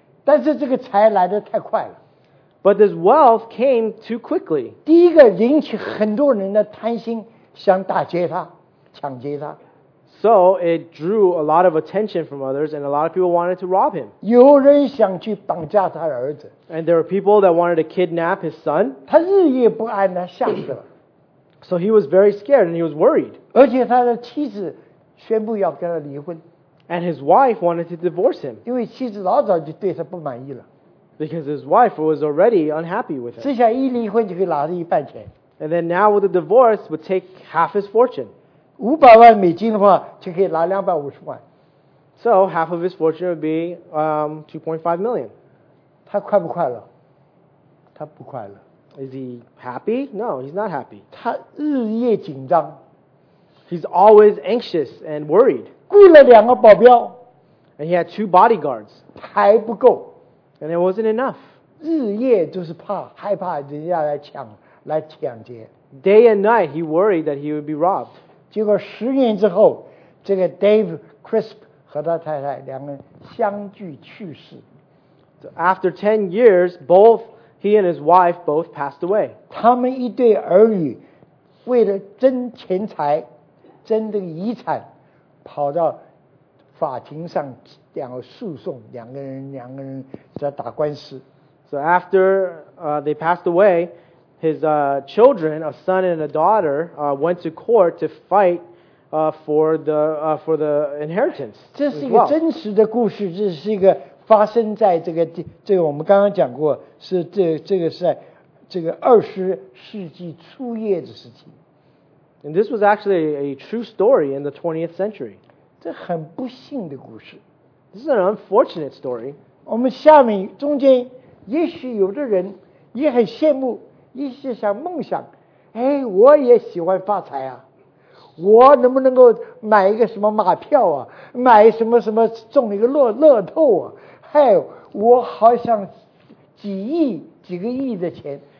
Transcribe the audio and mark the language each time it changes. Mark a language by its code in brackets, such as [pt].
[zh] 但是这个财来得太快了。 [en] But this wealth came too quickly. [zh] 第一个引起很多人的贪心，想打劫他，抢劫他。 [en] So it drew a lot of attention from others, and a lot of people wanted to rob him. [zh] 有人想去绑架他儿子。 [en] And there were people that wanted to kidnap his son. [zh] 他日夜不安，他吓死了。 [en] So he was very scared and he was worried. [zh] 而且他的妻子宣布要跟他离婚。 [en] And his wife wanted to divorce him. [zh] 因为妻子老早就对他不满意了。 [en] Because his wife was already unhappy with him. [zh] 这下一离婚就可以拿了一半钱。 [en] And then now with the divorce, would take half his fortune. [zh] 五百万美金的话，就可以拿$250,000。 [en] So half of his fortune would be $2.5 million. [zh] 他快不快乐？他不快乐。 [en] Is he happy? No, he's not happy. [zh] 他日夜紧张。 [en] He's always anxious and worried. [zh] 雇了两个保镖。 [en] And he had two bodyguards. [zh] 还不够。 [en] And it wasn't enough. [zh] 日夜就是怕害怕人家来抢劫。 [en] Day and night, he worried that he would be robbed. [zh] 结果十年之后，这个 Dave Crisp 和他太太两个人相继去世。 [en] So after 10 years, both he and his wife both passed away. [zh] 他们一对儿女为了争钱财、争这个遗产，跑到法庭上两个诉讼，两个人在打官司。 [en] So after they passed away, his children, a son and a daughter, went to court to fight for the inheritance. [zh] 这是一个真实的故事，这是一个发生在这个我们刚刚讲过，是这个是在这个二十世纪初叶的事情。 [en] And this was actually a true story in the 20th century. [zh] 这很不幸的故事。 [en] This is an unfortunate story. [zh] 我们下面中间也许有的人也很羡慕，也许想梦想，哎，我也喜欢发财啊。我能不能够买一个什么马票啊，买什么什么中一个乐透啊，嗨，我好想几亿几个亿的钱。